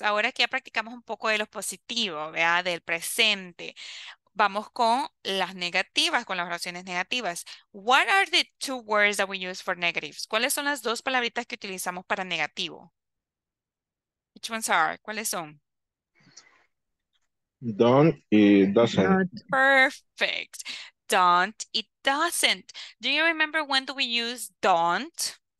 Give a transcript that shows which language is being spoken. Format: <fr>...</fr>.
<es>Ahora que ya practicamos un poco de los positivos, ¿verdad? Del presente. Vamos con las negativas, con las oraciones negativas.</es> <en>What are the two words that we use for negatives?</en> <es>¿Cuáles son las dos palabritas que utilizamos para negativo?</es> <en>Which ones are?</en> <es>¿Cuáles son?</es> <en>Don't y doesn't. Perfect. Don't y doesn't. Do you remember when do we use don't?</en>